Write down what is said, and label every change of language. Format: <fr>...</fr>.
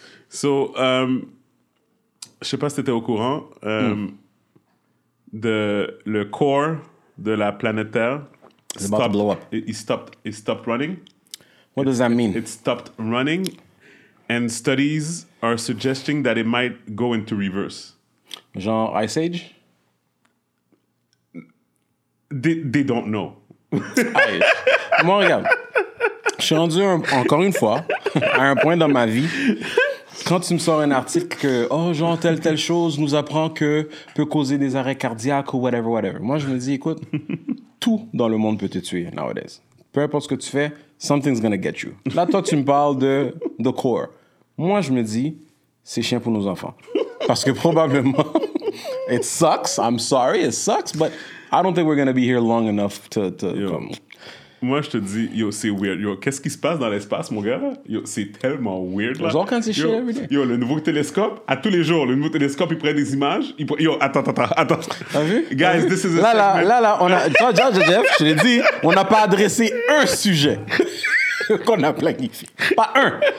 <fr>So, je sais pas si tu étais au courant de le core de la planète Terre.</fr> <en>It's about to blow up. It stopped running. What does that mean? It stopped running, and studies are suggesting that it might go into reverse.</en> <fr>Genre Ice Age?</fr> <en>They don't know.</en> <fr>Moi, regarde. Je suis rendu encore une fois à un point dans ma vie. Quand tu me sors un article que, oh, genre, telle chose nous apprend que peut causer des arrêts cardiaques ou whatever. Moi, je me dis, écoute, tout dans le monde peut te tuer nowadays. Peu importe ce que tu fais,</fr> <en>something's gonna get you.</en> <fr>Là, toi, tu me parles de the core. Moi, je me dis, c'est chien pour nos enfants. Parce que probablement,</fr> <en>it sucks, I'm sorry, it sucks, but I don't think we're gonna be here long enough to come.</en> <fr>Moi, je te dis, yo, c'est weird. Yo, qu'est-ce qui se passe dans l'espace, mon gars? Yo, c'est tellement weird. Là. Genre quand c'est chier,</fr> <en>every day.</en> <fr>Yo, le nouveau télescope, à tous les jours, le nouveau télescope, il prend des images. Yo, attends. T'as vu? Guys, t'as vu?</fr> <en>This is a</en> <fr>là, segment. Là, on a... Jeff, je l'ai dit, on n'a pas adressé un sujet qu'on a planifié. Pas un.</fr>